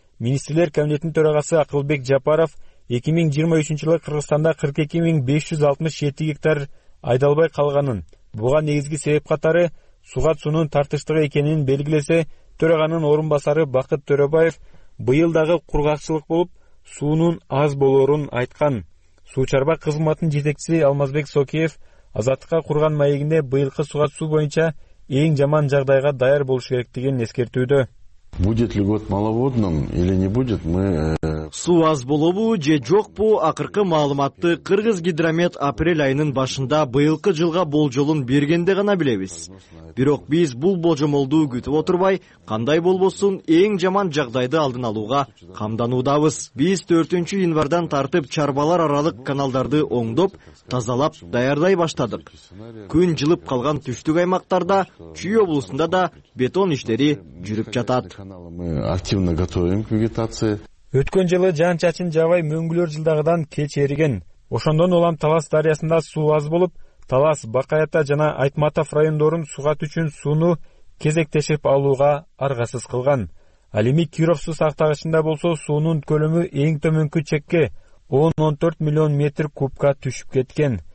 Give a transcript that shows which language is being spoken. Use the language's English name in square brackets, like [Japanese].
[Kyrgyz] Министрлер кабинетинин төрагасы Акылбек Жапаров 2023 жылы Кыргызстанда 42567 гектар айдалбай калганын, буга негизги себеп катары суугат суунун тартыштыгы экенин белгилесе, төраганын орун басары Бакыт Төрөбаев быйыл дагы кургакчылык болуп, суунун аз болорун айткан. Суу чарба кызматынын жетекчиси Алмазбек Сокиев Азаттыкка курган маегинде быйылкы суга суу боюнча эң жаман жагдайга даяр болуш керектигин эскертүүдө. [Russian] Будет ли год маловодным или не будет, мы... [Kyrgyz] Суу аз болобу же жокпу, акыркы маалыматты Кыргызгидромет апрель айынын башында быйылкы жылга болжолун бергенде гана билебиз. Бирок биз бул божомолду күтүп отурбай, кандай болбосун эң жаман жагдайды алдын алууга камданудабыз. Биз 4 январдан тартып чарбалар аралык каналдарды оңдоп, тазалап, даярдай баштадык. Күн жылып калган түштүк аймактарда, Чүй облусунда да бетон иштери жүрүп жатат. [Russian] Мы активно готовим к вегетации. [Kyrgyz] Өткөн жылы жаан чачын жаабай мөңгүлөр жылдагыдан кеч эриген. Ошондон улам Талас дарыясында суу аз болуп, Талас, Бакаята жана Айтматов райондорун суугат үчүн сууну кезектешип алууга аргасыз кылган. Ал эми Киров суу сактагычында болсо суунун көлөмү эң төмөнкү чекке 10-14 миллион метр кубка түшүп кеткен.